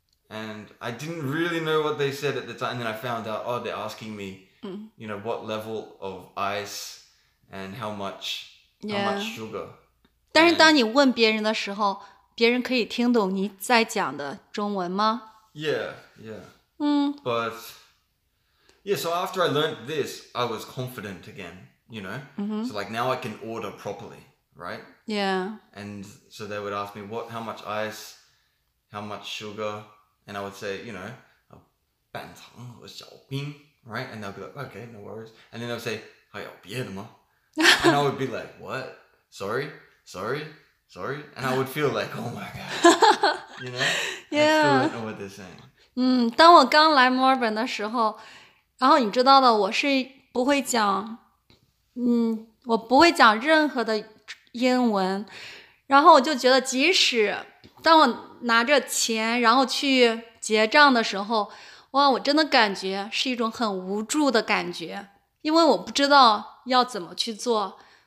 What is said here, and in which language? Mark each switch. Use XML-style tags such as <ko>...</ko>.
<en>And I didn't really know what they said at the time. And then I found out, oh, they're asking me, you know, what level of ice and how much sugar.</en> <zh>但是当你问别人的时候，别人可以听懂你在讲的中文吗?</zh> <en>Yeah. But... Yeah, so after I learned this, I was confident again, you know? Mm-hmm. So like now I can order properly, right? Yeah. And so they would ask me, how much ice, how much sugar? And I would say, you know,</en> <zh>半糖和小冰,</zh> <en>right? And they'll be like, okay, no worries. And then they'll say,</en> <zh>还有别的吗?</zh> <en>And I would be like, what? Sorry? And I would feel like, oh my God, you know? Yeah. I still don't know what they're saying.</en> <zh>当我刚来墨尔本的时候，然后你知道的，我是不会讲，我不会讲任何的英文。然后我就觉得，即使当我拿着钱然后去结账的时候，哇，我真的感觉是一种很无助的感觉，因为我不知道要怎么去做。</zh>